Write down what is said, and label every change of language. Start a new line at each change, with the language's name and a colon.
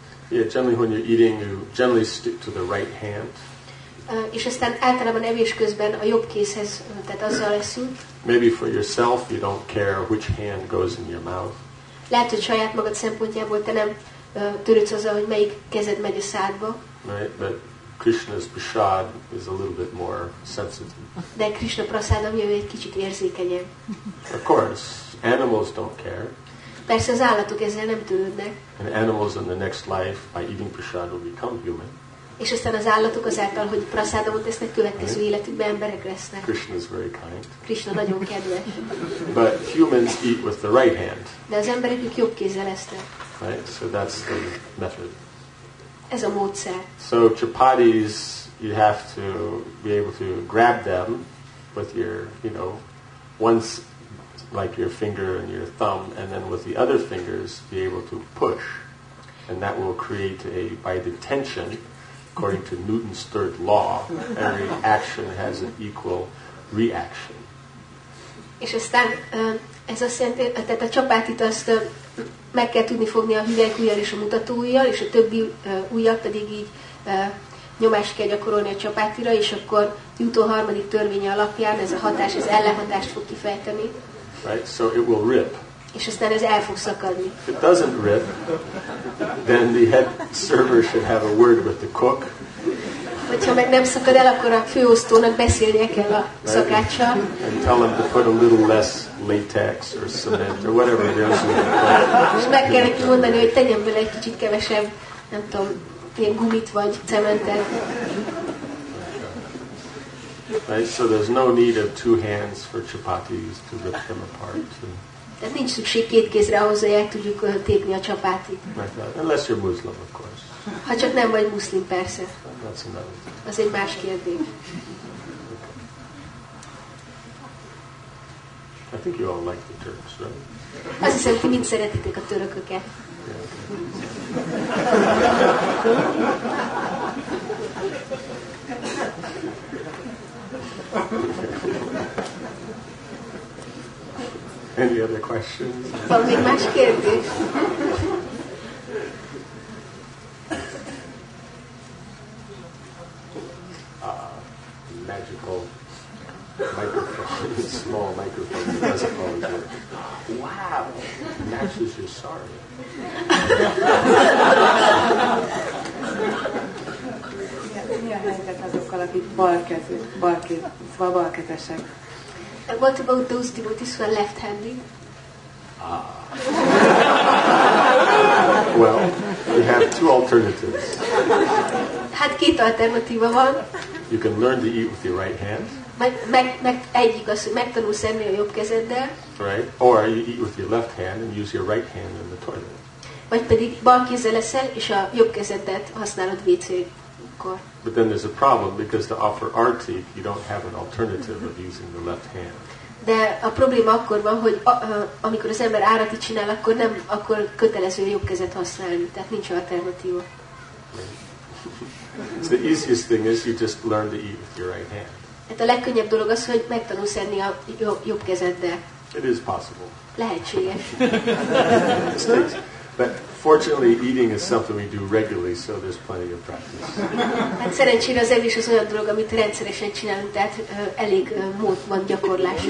English: Yeah, generally when you're eating, you generally stick to the right hand.
Hungarian: És aztán általában evés közben a jobb kézhez, tehát azzal leszünk.
English: Maybe for yourself you don't care which hand goes in your mouth.
Hungarian: Lehet, hogy saját magad szempontjából te nem törődsz azzal, hogy melyik kezed megy a szádba.
English: Right, but Krishna's prasad is a little bit more sensitive.
Hungarian: De Krishna prasadam jövő egy kicsit érzékenyebb.
English: Of course, animals don't care.
Hungarian: Persze az állatok ezzel nem törődnek.
English: And animals in the next life, by eating prasad, will become human.
Hungarian: És aztán az állatok azáltal, hogy prasadamot esznek, következő életükben emberek lesznek.
English: Krishna is very kind.
Hungarian: Krishna nagyon kedves.
English: But humans eat with the right hand.
Hungarian: De az emberek ők jobb kézzel esznek.
English: Right, so that's the method.
Hungarian: Ez a módszer.
English: So chapatis, you have to be able to grab them with your, you know, once like your finger and your thumb, and then with the other fingers be able to push, and that will create a by the tension. According to Newton's third law, every action has an equal reaction.
Hungarian: És aztán ez azt jelenti, tehát a csapátit azt meg kell tudni fogni a hüvelyk ujjal és a mutató ujjal, és a többi ujjal pedig így nyomást kell gyakorolni a csapátira, és akkor Newton harmadik törvénye alapján ez a hatás, ez ellenhatást fog kifejteni.
English: Right, so it will rip.
Hungarian: És aztán ez el fog szakadni.
English: If it doesn't rip, then the head server should have a word with the cook.
Hungarian: Hogyha meg nem szakad el, akkor a főosztónak beszélnie kell a szakáccsal.
English: Right. And tell him to put a little less latex or cement or whatever it is.
Hungarian: És meg kell neki mondani, hogy tegyen bele egy kicsit kevesebb, nem tudom, ilyen gumit vagy cementet.
English: Right, so there's no need of two hands for chapatis to rip them apart.
Hungarian: Tehát nincs szükség két kézre ahhoz, hogy el tudjuk tépni a csapátit.
English: Unless you're Muslim, of course.
Hungarian: Ha csak nem vagy muszlim, persze.
English: That's another thing.
Hungarian: Az egy más kérdés.
English: I think you all like the Turks, right?
Hungarian: Azt hiszem, ti mind szeretitek a törököket.
English: Any other questions?
Hungarian: Van még más kérdés?
English: Magical microphone. Small microphone. It doesn't always work. Wow! Matches your sari.
Hungarian: Mi a helyzet azokkal, akik balkezesek?
English: What about those devotees who are left-handed? Well, we have two alternatives.
Hungarian: Hát két alternatíva van.
English: You can learn to eat with your right hand.
Hungarian: Egyik az, hogy megtanulsz enni a jobb kezeddel.
English: Right, or you eat with your left hand and use your right hand in the toilet.
Hungarian: Vagy pedig bal kézzel eszel, és a jobb kezeddet használod WC-kor.
English: But then there's a problem because to offer artik, you don't have an alternative of using the left hand.
Hungarian: De a probléma akkor van, hogy amikor az ember árati csinál, akkor nem, akkor kötelező jobb kezet használni, tehát nincs alternatíva.
English: So the easiest thing is you just learn to eat with your right hand.
Hungarian: Hát a legkönnyebb dolog az, hogy megtanulsz enni a jobb kezeddel.
English: It is possible.
Hungarian: Lehetséges.
English: But fortunately, eating is something we do regularly, so there's plenty of practice.
Hungarian: Hát szerencsére az evés az olyan dolog, amit rendszeresen csinálunk, tehát elég mód van gyakorlásra.